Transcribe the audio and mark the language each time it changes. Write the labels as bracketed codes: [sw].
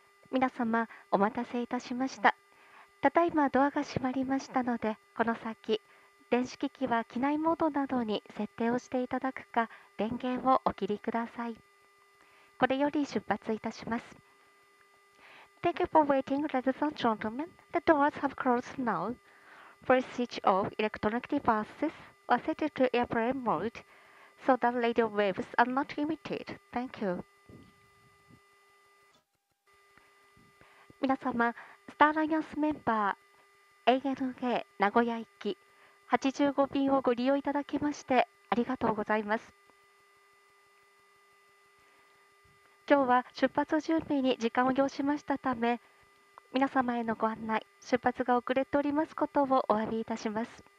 [ja] 皆様、お待たせいたしました。ただいまドアが閉まりましたので、この先、電子機器は機内モードなどに設定をしていただくか、電源をお切りください。これより出発いたします。 [en] Thank you for waiting, ladies and gentlemen. The doors have closed now. Please switch off electronic devices or set it to airplane mode so that radio waves are not emitted. Thank you. [ja] 皆様、スターアライアンスメンバー ANA 名古屋行き85便をご利用いただきましてありがとうございます。今日は出発準備に時間を要しましたため、皆様へのご案内、出発が遅れておりますことをお詫びいたします。